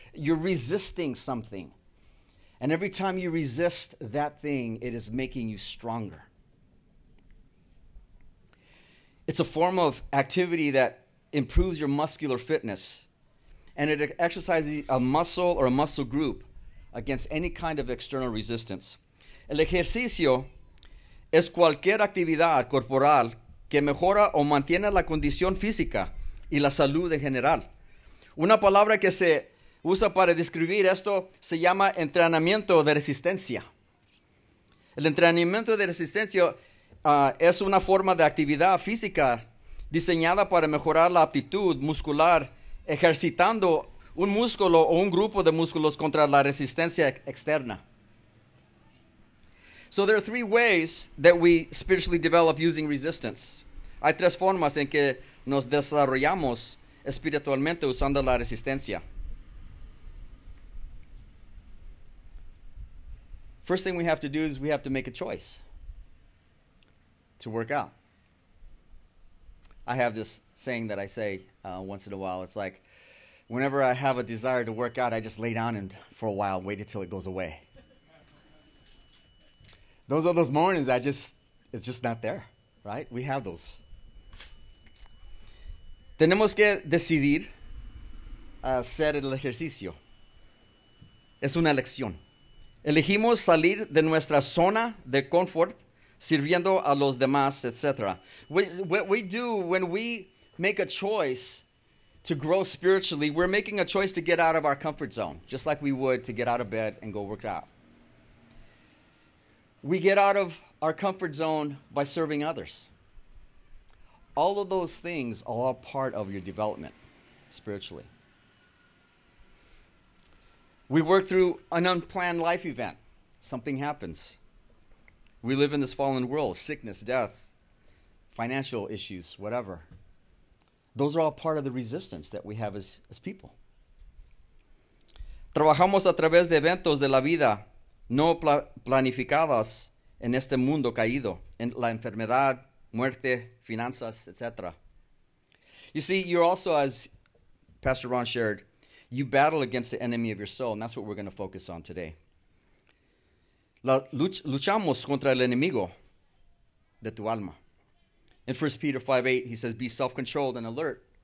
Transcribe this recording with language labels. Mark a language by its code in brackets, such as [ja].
[en] You're resisting something. And every time you resist that thing, it is making you stronger. It's a form of activity that improves your muscular fitness, and it exercises a muscle or a muscle group against any kind of external resistance. [es] El ejercicio es cualquier actividad corporal que mejora o mantiene la condición física y la salud en general. Una palabra que se usa para describir esto se llama entrenamiento de resistencia. El entrenamiento de resistencia es una forma de actividad física diseñada para mejorar la aptitud muscular, ejercitando un músculo o un grupo de músculos contra la resistencia externa. [en] So there are three ways that we spiritually develop using resistance. [es] Hay tres formas en que nos desarrollamos espiritualmente usando la resistencia. [en] First thing we have to do is we have to make a choice to work out. I have this saying that I say once in a while. It's like, whenever I have a desire to work out, I just lay down and for a while wait until it goes away. Those are those mornings that it's just not there, right? We have those. [es] Tenemos que decidir hacer el ejercicio. Es una elección. Elegimos salir de nuestra zona de confort, sirviendo a los demás, etc. [en] What we do when we make a choice to grow spiritually, we're making a choice to get out of our comfort zone, just like we would to get out of bed and go work out. We get out of our comfort zone by serving others. All of those things are all part of your development spiritually. We work through an unplanned life event. Something happens. We live in this fallen world, sickness, death, financial issues, whatever. Those are all part of the resistance that we have as people. [es] Trabajamos a través de eventos de la vida no planificadas en este mundo caído, en la enfermedad, muerte, finanzas, etc. [en] You see, you're also, as Pastor Ron shared, you battle against the enemy of your soul, and that's what we're going to focus on today. [es] Luchamos contra el enemigo de tu alma. [en] In 1 Peter 5:8, he says, "Be self-controlled and alert.